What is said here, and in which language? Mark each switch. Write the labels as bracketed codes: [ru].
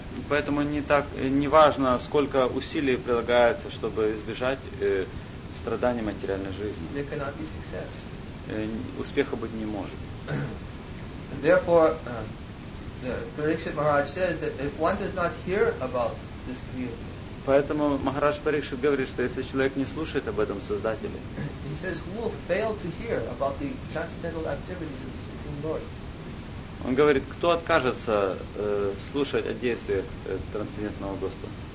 [ru] Поэтому не важно, сколько усилий прилагается, чтобы избежать страданий материальной жизни. [en] There cannot be success. [ru] Успеха быть не может. [en] Therefore, the Parikshit Maharaj says that if one does not hear about this community. [ru] Поэтому Махарадж Парикшит говорит, что если человек не слушает об этом Создателе. [en] He says, who will fail to hear about the transcendental activities of the Supreme Lord? [ru] Он говорит, кто откажется слушать о действиях трансцендентного Господа?